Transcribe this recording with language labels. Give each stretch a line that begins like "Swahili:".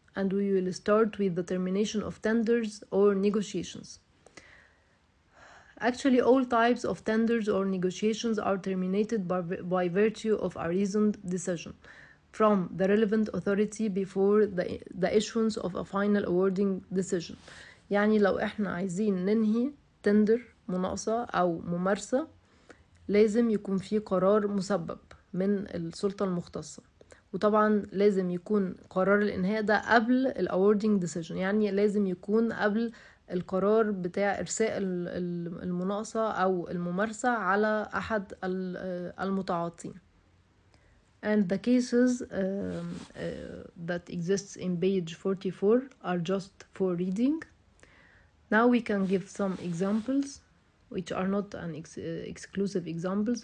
English: And we will start with the termination of tenders or negotiations. Actually, all types of tenders or negotiations are terminated by virtue of a reasoned decision from the relevant authority before the issuance of a final awarding decision.
Arabic: يعني لو احنا عايزين ننهي تندر مناقصة او ممارسة لازم يكون في قرار مسبب من السلطة المختصة، وطبعا لازم يكون قرار الانهاء ده قبل الاوردينج ديسيجن، يعني لازم يكون قبل القرار بتاع ارساء المناقصة او الممارسة على احد المتعاطين.
English: And the cases that exists in page 44 are just for reading. Now we can give some examples, which are not an exclusive examples.